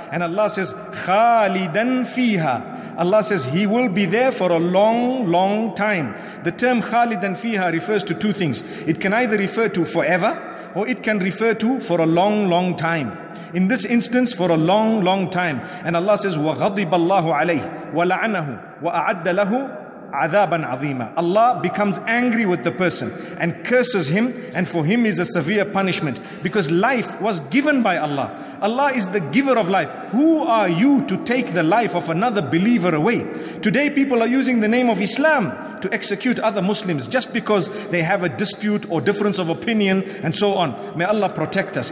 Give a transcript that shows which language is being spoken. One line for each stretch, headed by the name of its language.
English: And Allah says,
Arabic: خَالِدًا فِيهَا.
English: Allah says he will be there for a long, long time. The term khalidan fiha refers to two things. It can either refer to forever, or it can refer to for a long, long time. In this instance, for a long, long time. And Allah says,
Arabic: وَغَضِبَ اللَّهُ عَلَيْهِ وَلَعَنَهُ وَأَعَدَّ لَهُ عَذَابًا عَظِيمًا.
English: Allah becomes angry with the person and curses him, and for him is a severe punishment. Because life was given by Allah. Allah is the giver of life. Who are you to take the life of another believer away? Today people are using the name of Islam to execute other Muslims just because they have a dispute or difference of opinion and so on. May Allah protect us.